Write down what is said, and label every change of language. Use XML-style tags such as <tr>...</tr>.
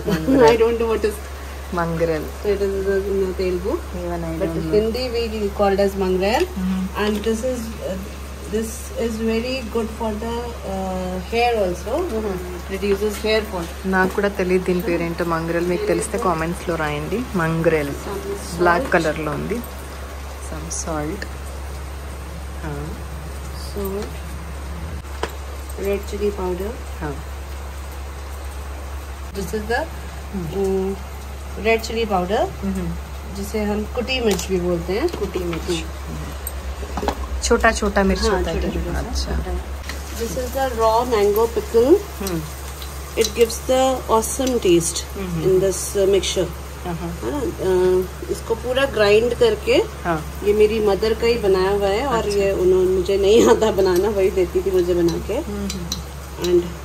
<en>Mangrel. I don't know what is. Mangrel. So it is in Telugu. Even I don't know. But Hindi we called as mangrel. Mm-hmm. And this is very good for the hair also. Mm-hmm. Reduces hair fall.</en> <te>నాకు కూడా తెలియదు దీని పేరు ఏంటో మంగ్రెల్ మీకు తెలిస్తే comments లో రాయండి మంగ్రెల్ బ్లాక్ కలర్ లో ఉంది</te> <en>some salt red chilli powder this is the red chilli powder</en> <hi>జిసే hum కుటీ mirch</hi> <en>భీ బోల్తే హై కుటీ మిర్చ్</en> <hi>छोटा छोटा मिर्च होता है अच्छा</hi> <en>this is the raw mango pickle it gives the awesome taste in this mixture</en> <hi>इसको पूरा ग्राइंड करके ये मेरी मदर का ही बनाया हुआ है और ये उन्होंने मुझे नहीं आता बनाना वही देती थी मुझे बना के एंड</hi>